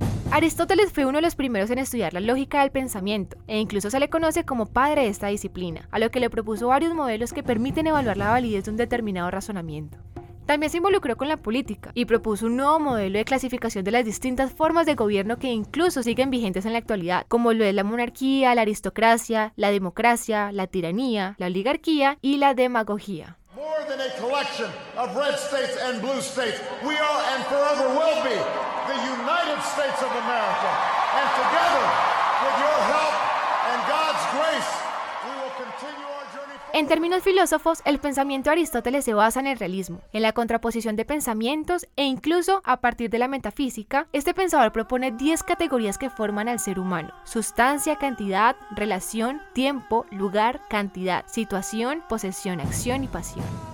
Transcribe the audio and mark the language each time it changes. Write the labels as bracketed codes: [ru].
[es] Aristóteles fue uno de los primeros en estudiar la lógica del pensamiento, e incluso se le conoce como padre de esta disciplina, a lo que le propuso varios modelos que permiten evaluar la validez de un determinado razonamiento. También se involucró con la política y propuso un nuevo modelo de clasificación de las distintas formas de gobierno que incluso siguen vigentes en la actualidad, como lo es la monarquía, la aristocracia, la democracia, la tiranía, la oligarquía y la demagogía. [en] More than a collection of red states and blue states, we are and forever will be the United States of America. And together, with your help and God's grace, we will continue. [es] En términos filósofos, el pensamiento de Aristóteles se basa en el realismo, en la contraposición de pensamientos e incluso, a partir de la metafísica, este pensador propone 10 categorías que forman al ser humano: sustancia, cantidad, relación, tiempo, lugar, cantidad, situación, posesión, acción y pasión.